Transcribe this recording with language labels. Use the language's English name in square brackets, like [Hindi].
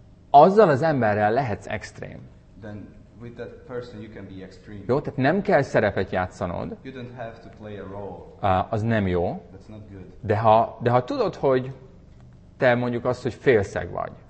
[Hungarian] Azzal az emberrel lehetsz extrém. [English] Then with that person you can be extreme. [Hungarian] Jó, tehát nem kell szerepet játszanod. [English] You don't have to play a role. [Hungarian] Az nem jó. [English] That's not good. [Hungarian] De ha tudod, hogy te mondjuk azt, hogy félszeg vagy,